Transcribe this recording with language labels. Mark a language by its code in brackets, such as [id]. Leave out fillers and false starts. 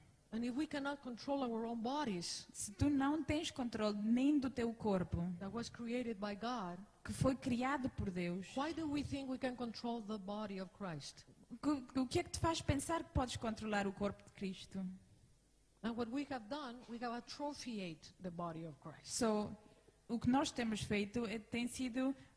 [en] And if we cannot control our own bodies, [pt] se tu não tens controle nem do teu corpo, [en] that was created by God, [pt] que foi criado por Deus, [en] why do we think we can control the body of Christ? [pt] O que é que te faz pensar que podes controlar o corpo de Cristo? [en] And what we have done, we have atrophied the body of Christ. [pt] So, o que nós temos feito é, tem sido